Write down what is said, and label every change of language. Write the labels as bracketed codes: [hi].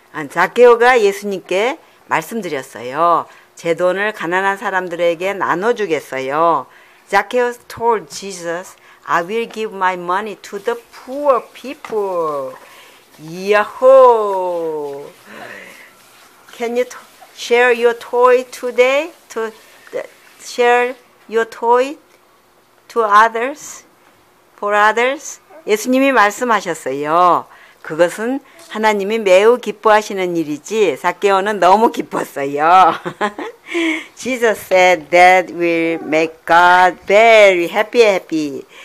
[ko] 자케오가 예수님께 말씀드렸어요. 제 돈을 가난한 사람들에게 나눠주겠어요. [en] Zacchaeus told Jesus, I will give my money to the poor people. Yahoo! Can you share your toy today? Share your toy to others? For others? [ko] 예수님이 말씀하셨어요. 그것은 하나님이 매우 기뻐하시는 일이지, 사케오는 너무 기뻤어요. [en] Jesus said that will make God very happy, happy.